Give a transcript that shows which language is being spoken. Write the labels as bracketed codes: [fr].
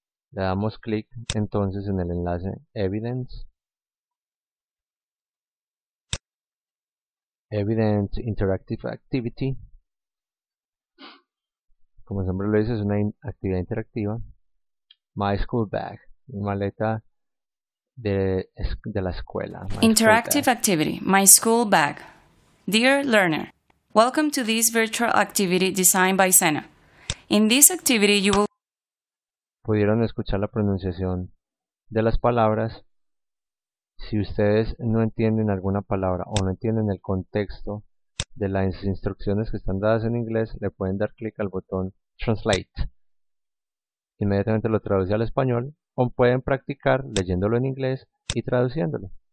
[es] Le damos clic entonces en el enlace Evidence Interactive Activity. Como el nombre lo dice, es una actividad interactiva. My School Bag, mi maleta de la escuela. [en] My School Interactive Bag. activity, my school bag. Dear learner, welcome to this virtual activity designed by Sena. In this activity, you will. [es] Pudieron escuchar la pronunciación de las palabras. Si ustedes no entienden alguna palabra o no entienden el contexto de las instrucciones que están dadas en inglés, le pueden dar clic al botón Translate. Inmediatamente lo traduce al español o pueden practicar leyéndolo en inglés y traduciéndolo.